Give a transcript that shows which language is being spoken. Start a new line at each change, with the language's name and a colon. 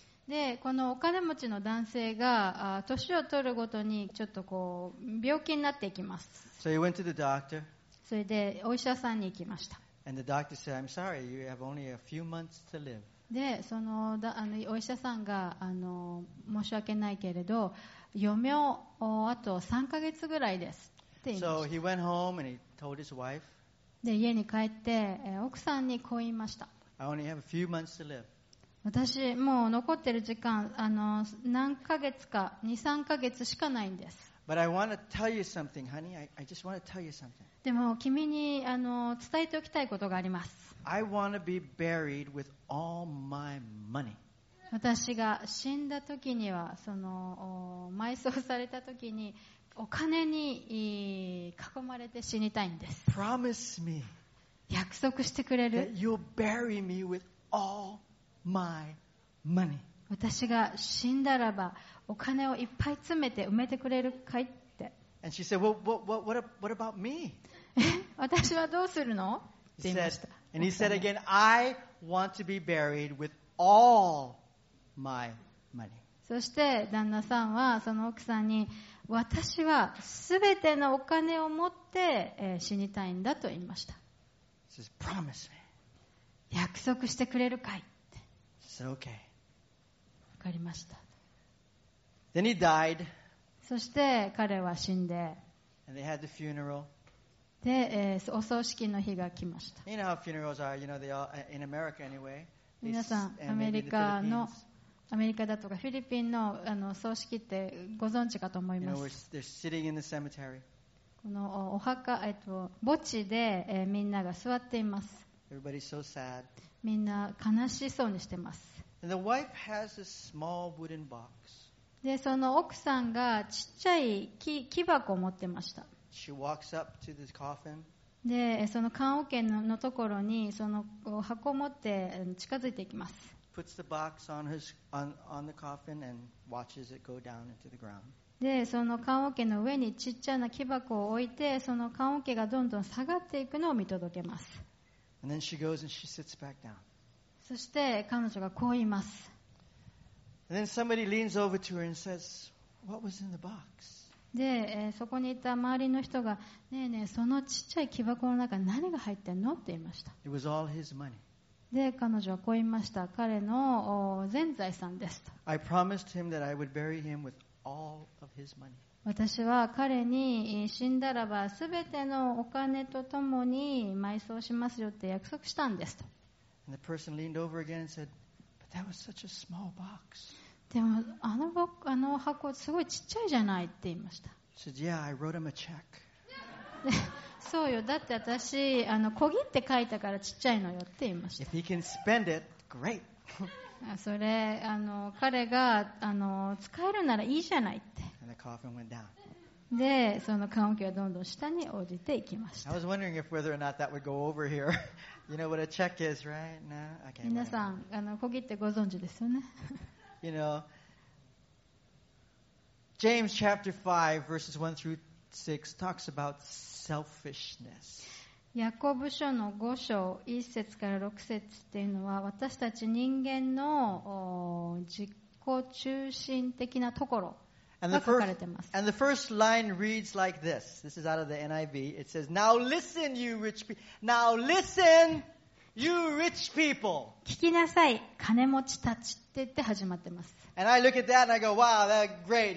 Japanese: で、このお金持ちの男性が年を取るごとにちょっとこう病気になっていきます。
English: So he went to the doctor.
Japanese: それでお医者さんに行きました。
English: And the doctor said, I'm sorry, you have only a few months to live.
Japanese: で、お医者さんが申し訳ないけれど、余命をあと3ヶ月ぐらいですって言いました。
English: So he went home and he told his wife.
Japanese: で、家に帰って奥さんにこう言いました。
English: I only have a few months to live.
Japanese: 私もう残ってる時間何ヶ月か2、3ヶ月しかないんです。
English: But I want to tell you something, honey. I just want to tell you something.
Japanese: でも君に伝えておきたいことがあります。
English: I want to be buried with all my money.
Japanese: 私が死んだ時には、埋葬された時に、お金に囲まれて死にたいんです。
English: Promise me.
Japanese: 約束してくれる。
English: That you'll bury me with all my money.
Japanese: 私が死んだらば、お金をいっぱい詰めて埋めてくれるかいって。
English: And she said, well, what about me?
Japanese: 私はどうするの？って言いました。
English: And he said again, I want to be buried with all my money.
Japanese: そして旦那さんはその奥さんに、私はすべてのお金を持って死にたいんだと言いました。
English: She says, promise me.
Japanese: 約束してくれるかいって。
English: So, okay.
Japanese: わかりました。
English: Then he died.
Japanese: そして彼は死んで。
English: And they had the funeral.
Japanese: で、お葬式の日が来ました。
English: You know how funerals are, you know, they are in America anyway.
Japanese: 皆さん、アメリカだとかフィリピン の葬式ってご存知かと思います。
English: You know, they're sitting in the cemetery.
Japanese: このお墓、墓地で、みんなが座っています。
English: Everybody's so sad.
Japanese: みんな悲しそうにしてます。
English: And the wife has a small wooden box.
Japanese: で、その奥さんがちっちゃい 木箱を持ってました。
English: She walks up to the coffin.
Japanese: で、その棺桶のところにその箱を持って近づいていきます。
English: Puts the box on his, on the coffin and watches it go down into the ground.
Japanese: で、その棺桶の上にちっちゃな木箱を置いて、その棺桶がどんどん下がっていくのを見届けます。
English: And then she goes and she sits back down.
Japanese: そして彼女がこう言います。
English: And then somebody leans over to her and says, "What was in the box?"
Japanese: で、そこにいた周りの人が、ねえねえ、そのちっちゃい木箱の中何が入ってんのって言いました。
English: It was all his money.
Japanese: で、彼女はこう言いました。彼の全財産ですと。
English: I promised him that I would bury him with all of his money.
Japanese: 私は彼に死んだらば全てのお金とともに埋葬しますよって約束したんですと。
English: And the person leaned over again and said, "But that was such a small box."
Japanese: でもあの箱すごいちっちゃいじゃないって言いました。
English: She said, "Yeah, I wrote him a check."
Japanese: そうよ、だって私小切って書いたからちっちゃいのよって言いました。
English: If he can spend it, great.
Japanese: それ彼が使えるならいいじゃないって。
English: And the coffin went down.
Japanese: で、その棺桶はどんどん下に落ちていきました。
English: I was wondering if whether or not that would go over here. You know what a check is, right? No? Okay,
Japanese: 皆さん小切ってご存知ですよね。
English: You know, James chapter 5 verses 1 through 6 talks about selfishness.
Japanese: ヤコブ書の5章1節から6節っていうのは私たち人間の自己中心的なところが書かれてます。
English: And the first line reads like this. This is out of the NIV. It says, "Now listen, you rich people. Now listen, you rich people."
Japanese: 聞きなさい、金持ちたち。って言って始まってます。
English: And I look at that and I go, "Wow, that's great.